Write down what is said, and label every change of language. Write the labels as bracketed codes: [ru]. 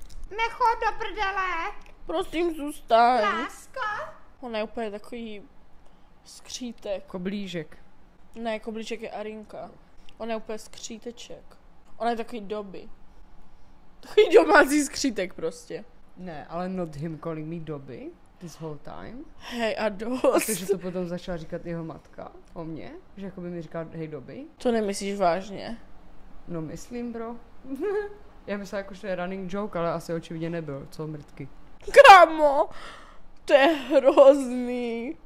[cs] Mecho do prdele. Prosím, zůstaň. Láska. Ona je úplně takový skřítek. Koblížek. Ne, koblížek je Arinka. Ona je úplně skříteček. Ona je takový doby. Takový domácí skřítek prostě. Ne, ale [en] not him calling me doby. This whole time. [cs] Hej a dost. Takže to potom začala říkat jeho matka o mně, že jako by mi říkala hej doby. To nemyslíš vážně? No myslím, bro. Já myslela jako, že to je running joke, ale asi očividně nebyl, co mrtky. Kámo, to je hrozný.